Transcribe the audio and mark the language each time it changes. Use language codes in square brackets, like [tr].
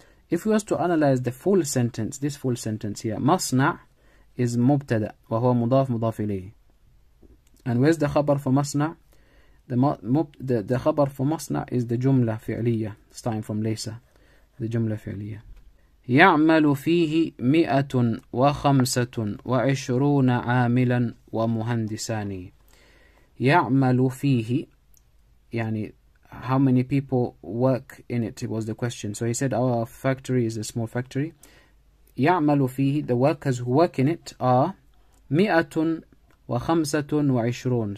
[en] If we was to analyze the full sentence, this full sentence here, مصنع is [ar] مبتدأ وهو مضاف مضاف إليه. [en] And where's the خبر for مصنع? The خبر for مصنع is the جملة فعلية, starting from ليس, the جملة فعلية. [ar] يعمل فيه 125 عاملا ومهندسان. يعمل فيه, يعني [en] how many people work in it was the question. So he said our factory is a small factory. [ar] يعمل فيه, [en] the workers who work in it are 125.